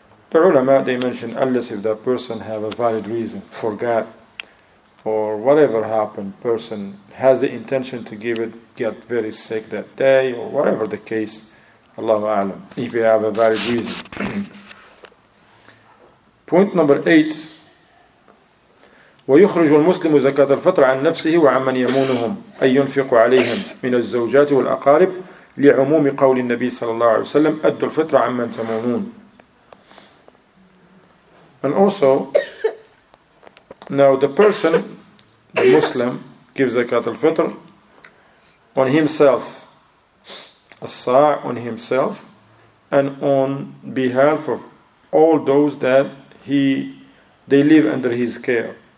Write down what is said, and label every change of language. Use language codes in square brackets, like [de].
[en] The ulama, they mention, unless if that person have a valid reason, forgot, or whatever happened, person has the intention to give it, get very sick that day, or whatever the case, Allahu A'lam, if you have a valid reason. Point number 8, [ar] ويخرج المسلم زكاة الفطر عن نفسه وعمن يمونهم أي ينفق عليهم من الزوجات والأقارب لعموم قول النبي صلى الله عليه وسلم أدوا الفطر عمن تمونون. [en] And also, now the person, the Muslim, gives زكاة الفطر on himself, الصاع on himself, and on behalf of all those that they live under his care.